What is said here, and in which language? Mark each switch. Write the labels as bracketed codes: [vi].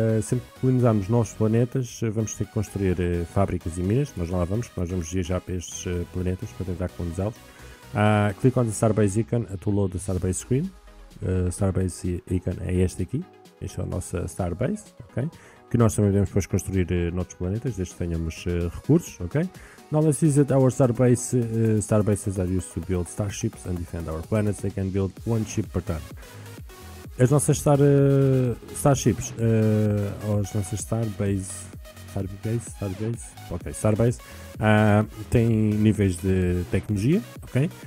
[pt] Sempre que colonizarmos novos planetas, vamos ter que construir fábricas e minas, nós lá vamos, nós vamos viajar para estes planetas para tentar colonizá-los. [en] Click on the Starbase icon to load the Starbase screen. Starbase icon [pt] é este aqui, este é o nosso Starbase, ok? Que nós também podemos depois construir noutros planetas, desde que tenhamos recursos, ok? [en] Now let's visit our Starbase. Starbases are used to build starships and defend our planets. They can build one ship per turn. [pt] As nossas starships, as nossas Starbase, têm níveis de tecnologia, ok?